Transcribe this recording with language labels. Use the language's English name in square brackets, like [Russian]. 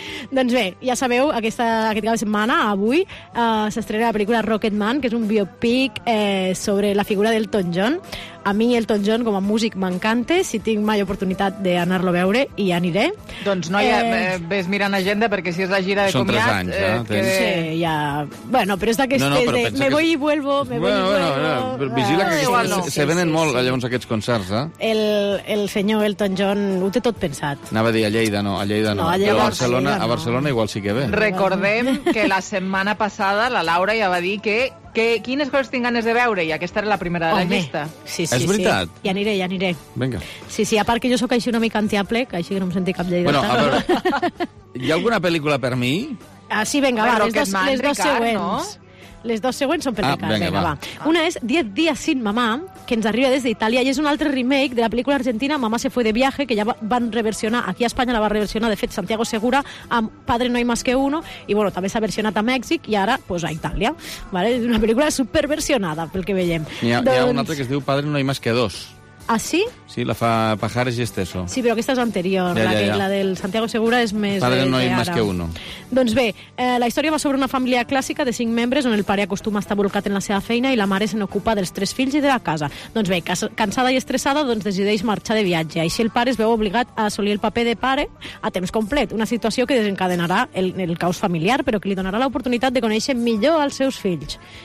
[Catalan] Doncs bé, ja sabeu, aquest cap de setmana, avui, s'estrena la pel·lícula Rocketman, que és un biopic sobre la figura d'Elton John. A mi Elton John com a músic m'encanta, si tinc mai oportunitat d'anar-lo a veure, hi aniré. Doncs noia, ves mirant agenda, perquè si és la gira de són comiat... Són 3 anys, ja. Sí, ja... Bueno, però és d'aquestes no, de... [Spanish] Me voy y vuelvo, me voy y vuelvo... [Catalan] Vigila que se venen molt, llavors, aquests concerts, eh? El senyor Elton John ho té tot pensat. Anava a dir a Lleida no. No, però a Barcelona igual sí que ve. Recordem que la setmana passada la Laura ja va dir que... Quines coses tinc ganes de veure? I aquesta era la primera de la llista. Sí. És veritat? Sí. Ja aniré. Vinga. Sí, a part que jo sóc així una mica antiàplec, així que no em senti cap lleida. Bueno, a veure, hi ha alguna pel·lícula per mi? Ah, sí, vinga, va, les dues següents. No? Les dues següents són per mi. Vinga, va. Una és 10 dies sin mamà, que ens arriba des d'Itàlia, i és un altre remake de la pel·lícula argentina Mamá se fue de viaje, que ja van reversionar, aquí a Espanya la va reversionar, de fet, Santiago Segura, amb Padre no hay más que uno, i bueno, també s'ha versionat a Mèxic, i ara, pues, a Itàlia. Vale? És una pel·lícula superversionada, pel que veiem. Hi ha un altre que es diu Padre no hay más que dos. Ah, sí? Sí, la fa Pajares y Esteso. Sí, però aquesta és anterior, la del Santiago Segura és més... Padre no hay más que uno. Doncs bé, la història va sobre una família clàssica de 5 membres on el pare acostuma a estar bolcat en la seva feina i la mare se n'ocupa dels 3 fills i de la casa. Doncs bé, cansada i estressada, doncs decideix marxar de viatge. Així el pare es veu obligat a assolir el paper de pare a temps complet, una situació que desencadenarà el caos familiar, però que li donarà l'oportunitat de conèixer millor els seus fills.